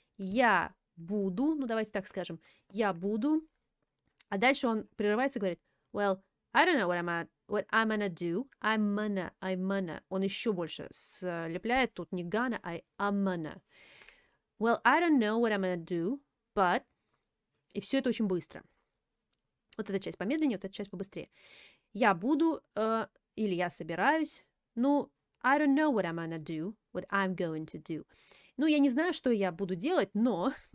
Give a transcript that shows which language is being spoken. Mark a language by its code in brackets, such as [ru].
[ru] Я буду, ну давайте так скажем, я буду, а дальше он прерывается и говорит, [en] well, I don't know what I'm gonna [ru] do, I'm gonna, он еще больше слепляет, тут не gonna, I'm gonna. [en] Well, I don't know what I'm gonna do, but, [ru] и все это очень быстро. Вот эта часть помедленнее, вот эта часть побыстрее. Я буду, или я собираюсь. [en] Ну, I don't know what I'm gonna do, what I'm going to do. [ru] Ну, я не знаю, что я буду делать, но...